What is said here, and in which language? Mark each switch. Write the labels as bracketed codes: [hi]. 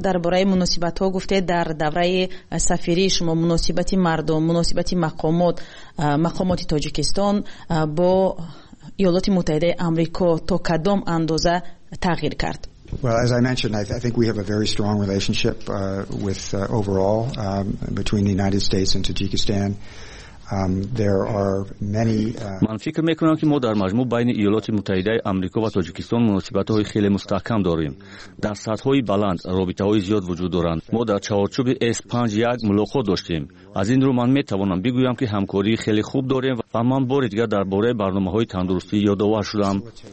[fa] در باره مناسبت ها گفته در دوره سفری شما مناسبت مردم، مناسبت مقامات، مقامات تاجیکستان با ایالات متحده آمریکا تا کدام اندازه تغییر کرد؟ [en] Well, as I mentioned, I think we have a very strong relationship with overall between the United States and Tajikistan. [fa] من فکر میکنم که ما در مجموع بین ایالات متحده آمریکا و تاجیکستان مناسبت های خیلی مستحکم داریم. در سطح های بلند رابطه های زیاد وجود دارند. ما در چهارچوب S5-1 ملاقات داشتیم. از این رو من میتوانم بگویم که همکاری خیلی خوب داریم و من بار دیگر درباره برنامه های تندرستی یادآور شدم.